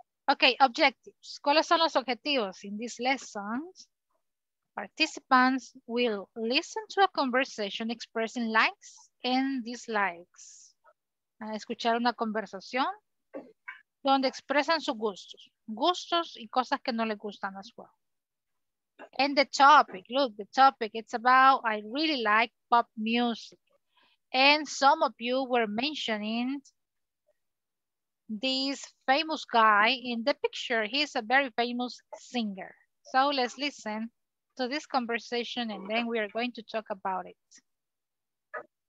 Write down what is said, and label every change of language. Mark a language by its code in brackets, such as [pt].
[en] Okay, objectives. [es] ¿Cuáles son los objetivos [en] in these lessons? Participants will listen to a conversation expressing likes and dislikes. [es] A escuchar una conversación donde expresan sus gustos. Gustos y cosas que no les gustan [en] as well. And the topic, look, the topic, it's about I really like pop music. And some of you were mentioning this famous guy in the picture. He's a very famous singer. So let's listen to this conversation and then we are going to talk about it.